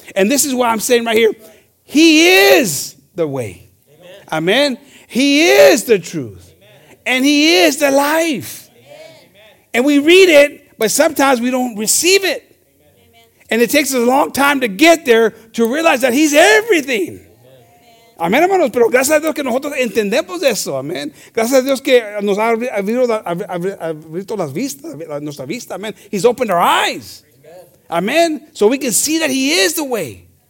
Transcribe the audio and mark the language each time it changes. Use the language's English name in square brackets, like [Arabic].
[English] And this is what I'm saying right here. He is the way. Amen. He is the truth. And he is the life. And we read it, but sometimes we don't receive it. And it takes us a long time to get there to realize that he's everything. [Spanish] Amén, hermanos. Pero gracias a Dios que nosotros entendemos eso. Amén. Gracias a Dios que nos ha abierto las vistas, nuestra vista. [English] Amén. He's opened our eyes. Amén. So we can see that he is the way.